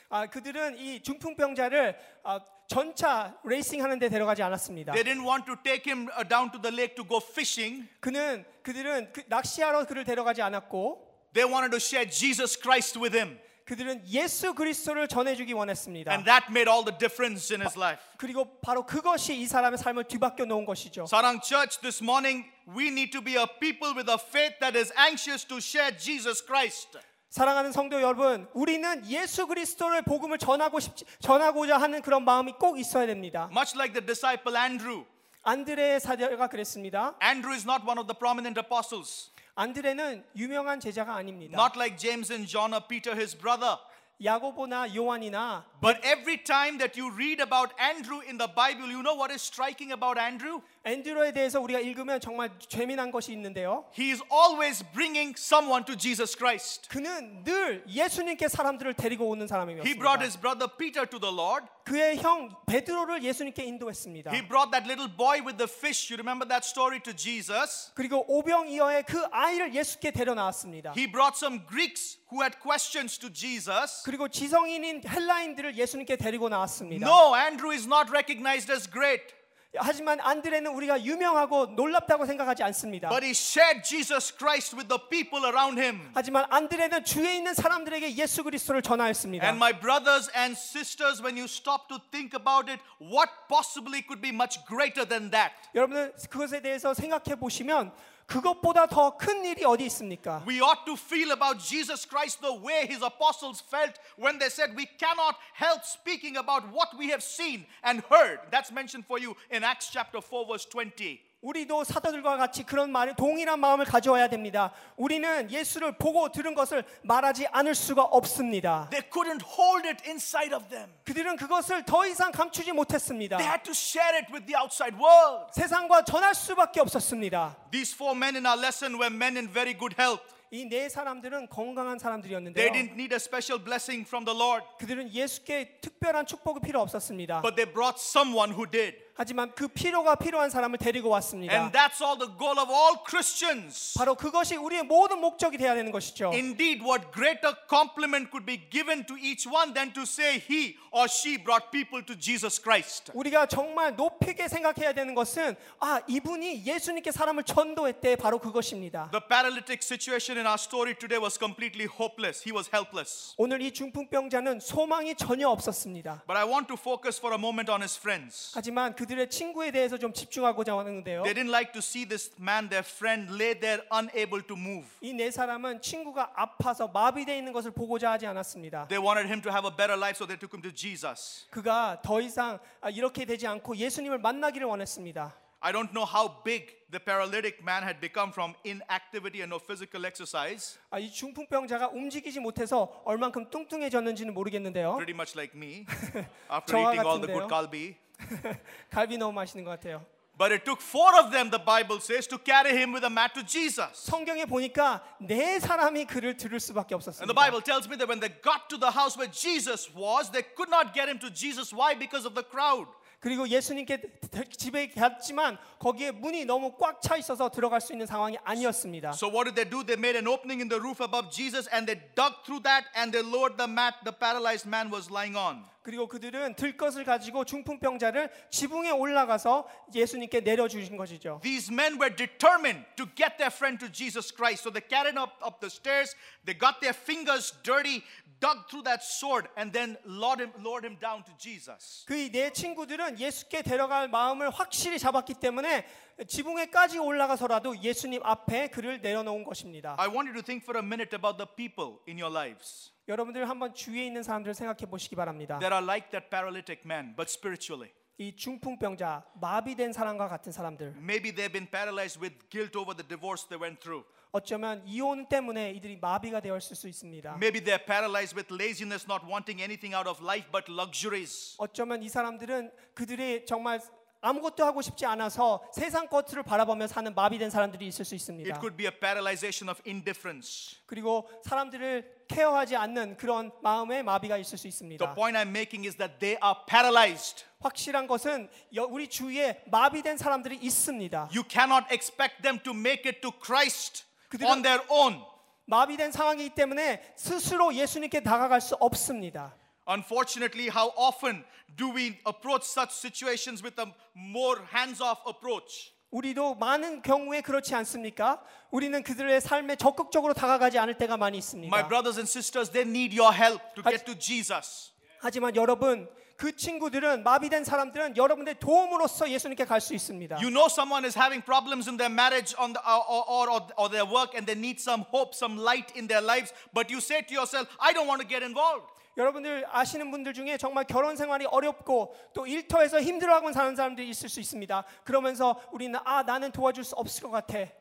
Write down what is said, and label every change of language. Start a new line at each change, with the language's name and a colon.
Korean: 아 그들은 이 중풍병자를 전차 레이싱 하는 데 데려가지 않았습니다.
English: They didn't want to take him down to the lake to go fishing.
Korean: 그들은 낚시하러 그를 데려가지 않았고
English: They wanted to share Jesus Christ with him.
Korean: 그들은 예수 그리스도를 전해주기 원했습니다.
English: And that made all the difference in his life.
Korean: 그리고 바로 그것이 이 사람의 삶을 뒤바뀌어 놓은 것이죠.
English: 사랑 Church, this morning we need to be a people with a faith that is anxious to share Jesus Christ.
Korean: 사랑하는 성도 여러분, 우리는 예수 그리스도를 복음을 전하고자 하는 그런 마음이 꼭 있어야 됩니다.
English: Much like the disciple Andrew.
Korean: 안드레의 사제가 그랬습니다.
English: Andrew is not one of the prominent apostles.
Korean: 안드레는 유명한 제자가 아닙니다.
English: Not like James and John or Peter his brother.
Korean: 야고보나 요한이나
English: But every time that you read about Andrew in the Bible, you know what is striking about Andrew?
Korean: 안드레에 대해서 우리가 읽으면 정말 재미난 것이 있는데요.
English: He is always bringing someone to Jesus Christ.
Korean: 그는 늘 예수님께 사람들을 데리고 오는 사람이었습니다.
English: He brought his brother Peter to the Lord.
Korean: 그의 형 베드로를 예수님께 인도했습니다.
English: He brought that little boy with the fish. You remember that story to Jesus?
Korean: 그리고 오병이어의 그 아이를 예수께 데려 나왔습니다.
English: He brought some Greeks who had questions to Jesus.
Korean: 그리고 지성인인 헬라인들을 예수님께 데리고 나왔습니다.
English: No, Andrew is not recognized as great.
Korean: 하지만 안드레는 우리가 유명하고 놀랍다고 생각하지 않습니다.
English: But he shared Jesus Christ with the people around him.
Korean: 하지만 안드레는 주위에 있는 사람들에게 예수 그리스도를 전하였습니다.
English: And my brothers and sisters, when you stop to think about it, what possibly could be much greater than that?
Korean: 여러분들 그것에 대해서 생각해 보시면 그것보다 더 큰 일이 어디 있습니까?
English: We ought to feel about Jesus Christ the way his apostles felt when they said we cannot help speaking about what we have seen and heard. That's mentioned for you in Acts chapter 4 verse 20.
Korean: 우리도 사도들과 같이 그런 말을 동일한 마음을 가져와야 됩니다. 우리는 예수를 보고 들은 것을 말하지 않을 수가 없습니다.
English: They couldn't hold it inside of them.
Korean: 그들은 그것을 더 이상 감추지 못했습니다.
English: They had to share it with the outside world.
Korean: 세상과 전할 수밖에 없었습니다.
English: These four men in our lesson were men in very good health.
Korean: 이 네 사람들은 건강한 사람들이었는데요.
English: They didn't need a special blessing from the Lord.
Korean: 그들은 예수께 특별한 축복이 필요 없었습니다.
English: But they brought someone who did.
Korean: 하지만 그 필요가 필요한 사람을 데리고 왔습니다.
English: And that's all the goal of all Christians.
Korean: 바로 그것이 우리의 모든 목적이 되어야 되는 것이죠.
English: Indeed, what greater compliment could be given to each one than to say he or she brought people to Jesus Christ?
Korean: 우리가 정말 높이게 생각해야 되는 것은 아 이분이 예수님께 사람을 전도했대 바로 그것입니다.
English: The paralytic situation in our story today was completely hopeless. He was helpless.
Korean: 오늘 이 중풍병자는 소망이 전혀 없었습니다.
English: But I want to focus for a moment on his friends.
Korean: 하지만 그들의 친구에 대해서 좀 집중하고자 하는데요.
English: They didn't like to see this man, their friend, lay there unable to move.
Korean: 이 네 사람은 친구가 아파서 마비되어 있는 것을 보고자 하지 않았습니다.
English: They wanted him to have a better life, so they took him to Jesus.
Korean: 그가 더 이상 이렇게 되지 않고 예수님을 만나기를 원했습니다.
English: I don't know how big the paralytic man had become from inactivity and no physical exercise.
Korean: 아, 이 중풍병자가 움직이지 못해서 얼만큼 뚱뚱해졌는지는 모르겠는데요.
English: Pretty much like me, after eating
Korean: 같은데요.
English: all the good galbi.
Korean: 갈비 너무 맛있는 것 같아요.
English: But it took four of them, the Bible says, to carry him with a mat to Jesus.
Korean: 성경에 보니까 네 사람이 그를 들을 수밖에 없었습니다.
English: And the Bible tells me that when they got to the house where Jesus was, they could not get him to Jesus. Why? Because of the crowd.
Korean: 그리고 예수님께 집에 갔지만 거기에 문이 너무 꽉 차 있어서 들어갈 수 있는 상황이 아니었습니다.
English: So what did they do? They made an opening in the roof above Jesus, and they dug through that, and they lowered the mat the paralyzed man was lying on.
Korean: 그리고 그들은 들것을 가지고 중풍병자를 지붕에 올라가서 예수님께 내려주신 것이죠.
English: These men were determined to get their friend to Jesus Christ. So they carried up the stairs. They got their fingers dirty. Dug through that sword and then lowered him down to Jesus.
Korean: 그 네 친구들은 예수께 데려갈 마음을 확실히 잡았기 때문에 지붕에까지 올라가서라도 예수님 앞에 그를 내려놓은 것입니다.
English: I want you to think for a minute about the people in your lives.
Korean: 여러분들 한번 주위에 있는 사람들을 생각해 보시기 바랍니다.
English: That are like that paralytic man, but spiritually.
Korean: 이 중풍병자 마비된 사람과 같은 사람들.
English: Maybe they've been paralyzed with guilt over the divorce they went through.
Korean: 어쩌면 이혼 때문에 이들이 마비가 되었을 수 있습니다.
English: Maybe they're paralyzed with laziness, not wanting anything out of life but luxuries.
Korean: 어쩌면 이 사람들은 그들이 정말 아무것도 하고 싶지 않아서 세상 것들을 바라보며 사는 마비된 사람들이 있을 수 있습니다.
English: It could be a paralyzation of indifference.
Korean: 그리고 사람들을 케어하지 않는 그런 마음의 마비가 있을 수 있습니다.
English: The point I'm making is that they are paralyzed.
Korean: 확실한 것은 우리 주위에 마비된 사람들이 있습니다.
English: You cannot expect them to make it to Christ on their own.
Korean: 마비된 상황이기 때문에 스스로 예수님께 다가갈 수 없습니다.
English: Unfortunately, how often do we approach such situations with a more hands-off approach?
Korean: 우리도 많은 경우에 그렇지 않습니까? 우리는 그들의 삶에 적극적으로 다가가지 않을 때가 많이 있습니다.
English: My brothers and sisters, they need your help to get to Jesus.
Korean: 하지만 여러분, 그 친구들은 마비된 사람들은 여러분들의 도움으로서 예수님께 갈 수 있습니다.
English: You know someone is having problems in their marriage on the, or their work and they need some hope, some light in their lives, but you say to yourself, I don't want to get involved.
Korean: 여러분들 아시는 분들 중에 정말 결혼 생활이 어렵고 또 일터에서 힘들어하고 사는 사람들이 있을 수 있습니다. 그러면서 우리는 아 나는 도와줄 수 없을 것 같아.